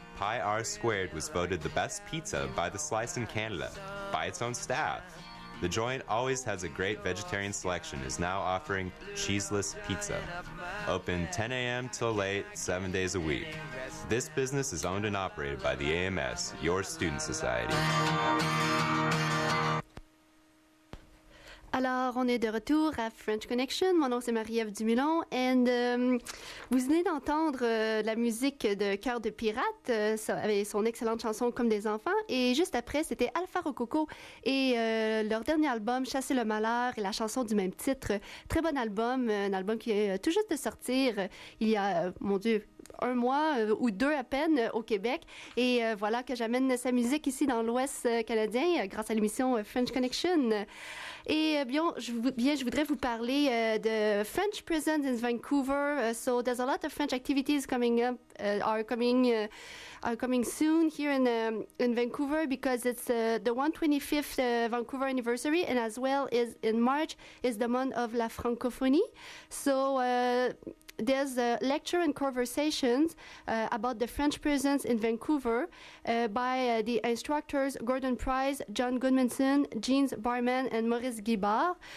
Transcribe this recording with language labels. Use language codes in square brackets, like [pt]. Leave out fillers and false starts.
[en] Pi R Squared was voted the best pizza by The Slice in Canada, by its own staff. The joint always has a great vegetarian selection, is now offering cheeseless pizza. Open 10 a.m. till late, 7 days a week. This business is owned and operated by the AMS, your student society. [fr] Alors, on est de retour à French Connection. Mon nom, c'est Marie-Ève Dumoulin. And vous venez d'entendre la musique de Cœur de Pirate, avec son excellente chanson Comme des enfants. Et juste après, c'était Alpha Rococo et leur dernier album, Chasser le malheur, et la chanson du même titre. Très bon album, un album qui est tout juste de sortir il y a, mon Dieu, un mois ou deux à peine au Québec. Et voilà que j'amène sa musique ici dans l'Ouest canadien grâce à l'émission French Connection. Et bien, je voudrais vous parler de [en] French prisons in Vancouver. So there's a lot of French activities coming up, are coming soon here in Vancouver, because it's the 125th Vancouver anniversary, and as well is in March is the month of la francophonie. So there's a lecture and conversations about the French prisons in Vancouver by the instructors Gordon Price, John Goodmanson, Jeans Barman, and Maurice Guibard.